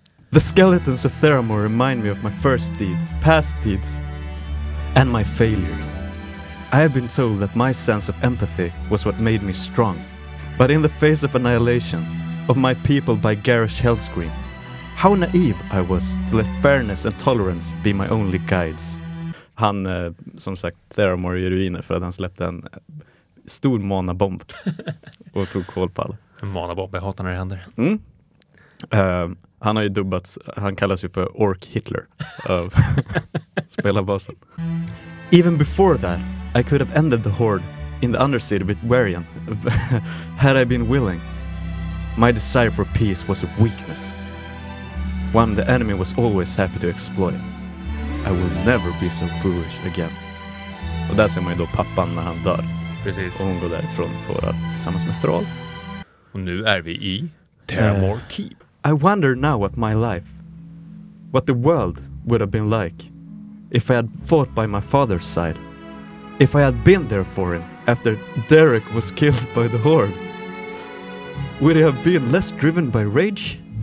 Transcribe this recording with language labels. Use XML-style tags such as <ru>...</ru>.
<en>The skeletons of Theramore remind me of my first deeds, past deeds, and my failures. I have been told that my sense of empathy was what made me strong. But in the face of annihilation of my people by garish hellscream, how naive I was to let fairness and tolerance be my only guides.</en> <sv>Han, som sagt, Theramore är ruiner för att han släppte en stor manabomb och tog koll på alla. En manabomb, jag hatar när det händer. Mm. Han har ju dubbats, han kallas ju för Ork Hitler av spelarbasen.</sv> <en>Even before that, I could have ended the Horde in the Undercity with Varian, had I been willing. My desire for peace was a weakness, one the enemy was always happy to exploit. I will never be so foolish again.</en> <sv>Och där ser man ju då pappan när han dör. Precis. Och hon går därifrån i tårar tillsammans med Thrall. Och nu är vi i Theramore Keep.</sv> <en>I wonder now what my life, what the world would have been like if I had fought by my father's side. If I had been there for him after Derek was killed by the Horde, would he have been less driven by rage?</en>